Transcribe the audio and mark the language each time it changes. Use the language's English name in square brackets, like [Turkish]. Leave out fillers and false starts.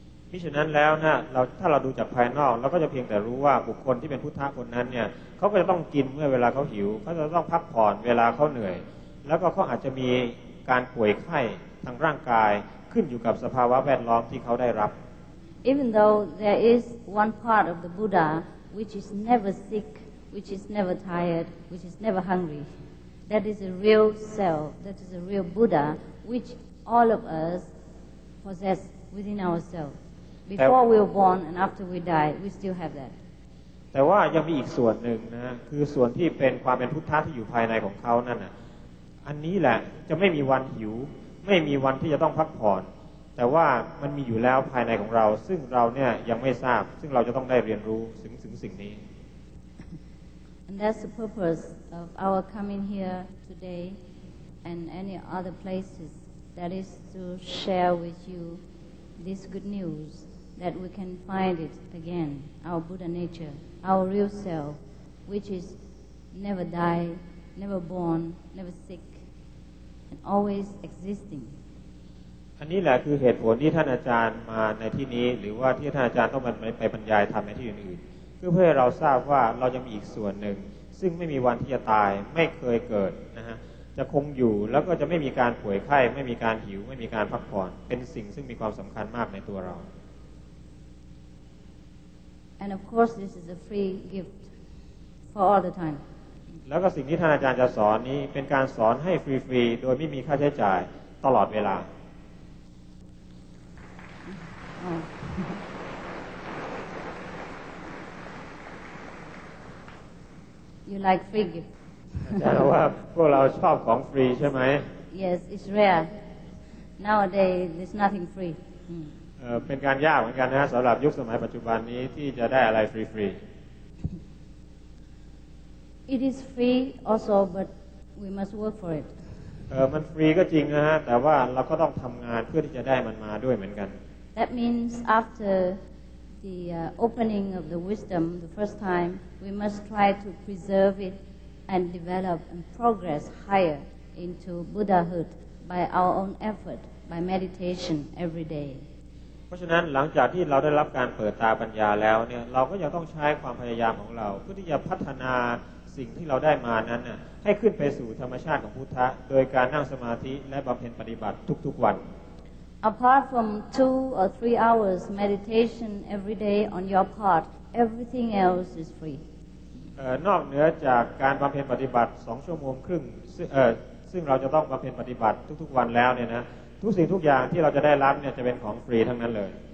[Thai] มิฉะนั้นแล้วนะเราถ้าเราดูจากภายนอกเราก็จะเพียงแต่รู้ว่าบุคคลที่เป็นพุทธะคนนั้นเนี่ยเขาก็จะต้องกินเมื่อเวลาเขาหิวเขาจะต้องพักผ่อนเวลาเขาเหนื่อยแล้วก็เขาอาจจะมีการป่วยไข้ทางร่างกายขึ้นอยู่กับสภาวะแวดล้อมที่เขาได้รับ [English] Even though there is one part of the Buddha which is never sick which is never tired which is never hungry that is a real self that is a real Buddha which all of us possess within ourselves before we were born and after we die we still have that [Thai] แต่ว่ายังมีอีกส่วนหนึ่งนะคือส่วนที่เป็นความเป็นพุทธะที่อยู่ภายในของเขานั่นน่ะอันนี้แหละจะไม่มีวันหิวไม่มีวันที่จะต้องพักผ่อนแต่ว่ามันมีอยู่แล้วภายในของเราซึ่งเราเนี่ยยังไม่ทราบซึ่งเราจะต้องได้เรียนรู้ถึงสิ่งนี้ [English] And that's the purpose of our coming here today and any other places that is to share with you this good news that we can find it again our Buddha natureOur real self, which is never die, never born, never sick, and always existing. And this is the reason that the teacher came here today, or that the teacher has to come to teach at other places. It's so that we know that we have another part, which is not going to die, never born, never sick, and always existing. It will be there, and there will not be any sickness, no hunger, no rest. It's something that is very important in our lives. And of course, this is a free gift for all the time. [Thai] แล้วก็สิ่งที่ท่านอาจารย์จะสอนนี้เป็นการสอนให้ฟรีๆโดยไม่มีค่าใช้จ่ายตลอดเวลา [English] You like free gift? [Thai] อาจารย์ว่าพวกเราชอบของฟรีใช่ไหม [English] Yes, it's rare. Nowadays, there's nothing free. [Thai] เป็นการยากเหมือนกันนะสำหรับยุคสมัยปัจจุบันนี้ที่จะได้อะไรฟรี [English] ๆ It is free also but we must work for it [Thai] มันฟรีก็จริงนะฮะแต่ว่าเราก็ต้องทำงานเพื่อที่จะได้มันมาด้วยเหมือนกัน [English] That means after the opening of the wisdom the first time we must try to preserve it and develop and progress higher into Buddhahood by our own effort by meditation every day [Thai] เพราะฉะนั้นหลังจากที่เราได้รับการเปิดตาปัญญาแล้วเนี่ยเราก็ยังต้องใช้ความพยายามของเราเพื่อที่จะพัฒนาสิ่งที่เราได้มานั้นน่ะให้ขึ้นไปสู่ธรรมชาติของพุทธะโดยการนั่งสมาธิและบำเพ็ญปฏิบัติทุกๆวัน [English] Apart from 2 or 3 hours meditation every day on your part everything else is free [Thai] นอกเหนือจากการบำเพ็ญปฏิบัติ2ชั่วโมงครึ่งซึ่งเราจะต้องบำเพ็ญปฏิบัติทุกๆวันแล้วเนี่ยนะทุกสิ่งทุกอย่างที่เราจะได้รับเนี่ยจะเป็นของฟรีทั้งนั้นเลย